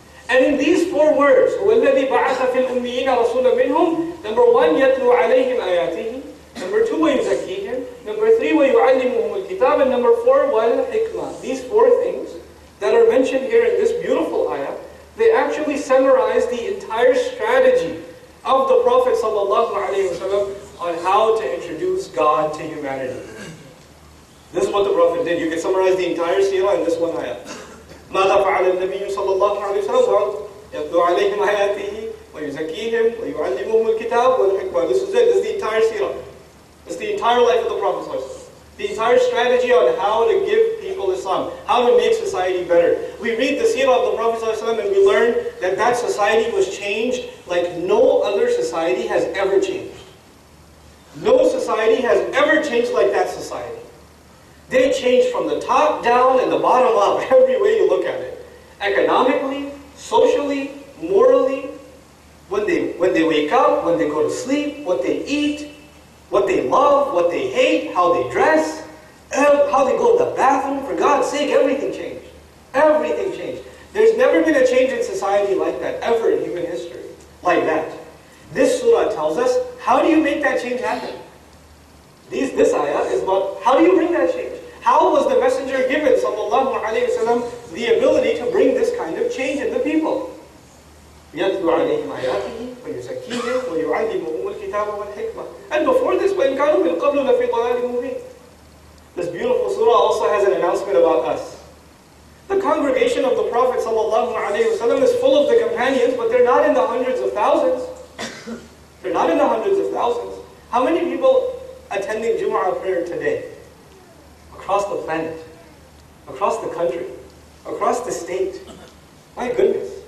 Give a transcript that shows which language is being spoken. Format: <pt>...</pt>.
<en>And in these four words,</en> <ar>وَالَّذِي بَعَثَ فِي الْأُمِّيِّينَ رَسُولًا مِّنْهُمْ</ar> <en>Number one,</en> <ar>يَتْلُوا عَلَيْهِمْ آيَاتِهِ</ar> <en>Number two,</en> <ar>وَيُزَكِّيهِمْ</ar> <en>Number three,</en> <ar>وَيُعَلِّمُهُمُ الْكِتَابِ</ar> <en>And number four,</en> <ar>وَالْحِكْمَةِ</ar> <en>These four things that are mentioned here in this beautiful ayah, they actually summarize the entire strategy of the Prophet ﷺ on how to introduce God to humanity. This is what the Prophet did. You can summarize the entire seerah in this one ayah.</en> <ar>مَاذَا فَعَلَ النَّبِيُّ صَلَّى اللَّهُ عَلَيْهِ وَسَلَّمُ يَبْدُوا عَلَيْهِمْ آيَاتِهِ وَيُزَكِّيهِمْ وَيُعَلِّمُهُمُ الْكِتَابِ وَالْحِكْمَةِ</ar> <en>This is it. This is the entire seerah. It's the entire life of the Prophet ﷺ. The entire strategy on how to give people Islam. How to make society better. We read the seerah of the Prophet ﷺ and we learn that that society was changed like no other society has ever changed. No society has ever changed like that society. They changed from the top down and the bottom up, every way you look at it. Economically, socially, morally, when they wake up, when they go to sleep, what they eat, what they love, what they hate, how they dress, how they go to the bathroom, for God's sake, everything changed. Everything changed. There's never been a change in society like that, ever in human history, like that. This surah tells us, how do you make that change happen? This ayah is about, how do you bring that change? How was the messenger given, sallallahu alayhi wa sallam, the ability to bring this kind of change in the people?</en> <ar>يَتْلُوا عَلَيْهِمْ آيَاتِهِ وَيُزَكِّيهِمْ وَيُعَلِّمُهُمُ الْكِتَابَ وَالْحِكْمَةِ</ar> <en>And before this,</en> <ar>وَإِنْ كَانُوا مِنْ قَبْلُ لَفِي ضَلَالٍ مُبِينٍ</ar> <en>This beautiful surah also has an announcement about us. The congregation of the Prophet sallallahu alayhi wa sallam is full of the companions, but they're not in the hundreds of thousands. They're not in the hundreds of thousands. How many people attending Jumu'ah prayer today? Across the planet, across the country, across the state. My goodness.</en>